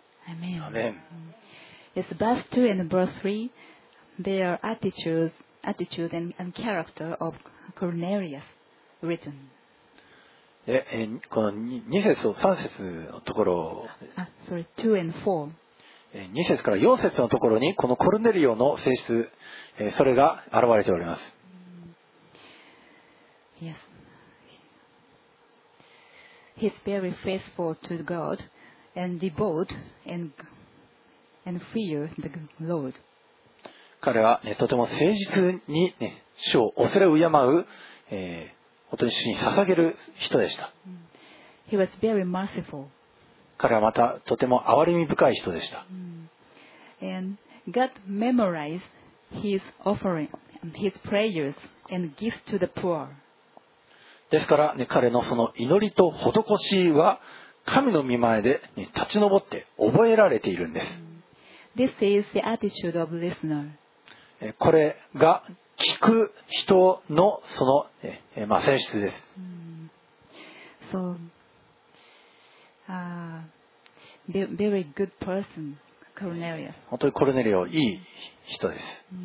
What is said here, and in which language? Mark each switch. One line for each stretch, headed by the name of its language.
English: Amen. Amen. Yes, verse 2 and verse 3, there are attitude and character of Cornelius written.
Japanese: この2節と3節のところ。
English: Sorry, 2 and 4.
Japanese: 2節から4節のところにこのコルネリオの性質、それが現れております。
English: Yes. he's very faithful to God and devout and fear the Lord.
Japanese: 彼は、ね、とても誠実に、ね、主を恐れ敬う、本当に主に捧げる人でした。
English: He was very merciful.
Japanese: 彼はまたとても憐れみ深い人でした。
English: And God memorized his offering, his prayers and gifts to the poor.
Japanese: ですから、ね、彼のその祈りと施しは神の御前で、ね、立ち上って覚えられているんです。
English: This is the attitude of listener.
Japanese: これが聞く人のその、まあ、性質です。
English: So, very good person, Cornelius.
Japanese: 本当にコルネリオいい人です。